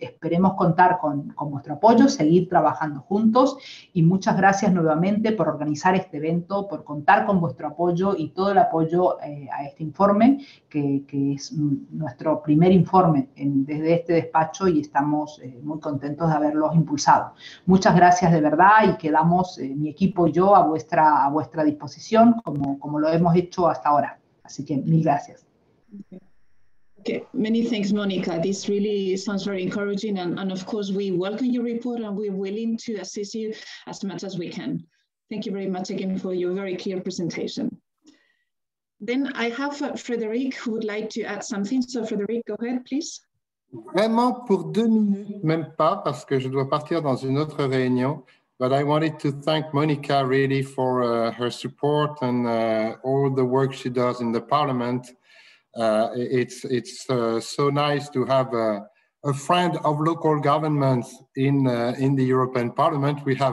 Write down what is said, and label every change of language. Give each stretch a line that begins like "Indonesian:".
Spanish: Esperemos contar con vuestro apoyo, seguir trabajando juntos y muchas gracias nuevamente por organizar este evento, por contar con vuestro apoyo y todo el apoyo a este informe, que es nuestro primer informe desde este despacho y estamos muy contentos de haberlos impulsado. Muchas gracias de verdad y quedamos mi equipo y yo a vuestra disposición como lo hemos hecho hasta ahora. Así que mil gracias.
English: Okay. Okay, many thanks, Monica. This really sounds very encouraging, and of course, we welcome your report and we're willing to assist you as much as we can. Thank you very much again for your very clear presentation. Then I have Frédéric who would like to add something. So, Frédéric, go ahead, please.
French: Vraiment pour deux minutes, même pas, parce que je dois partir dans une autre réunion.
English: But I wanted to thank Monica really for her support and all the work she does in the Parliament. It's so nice to have a friend of local governments in the European Parliament.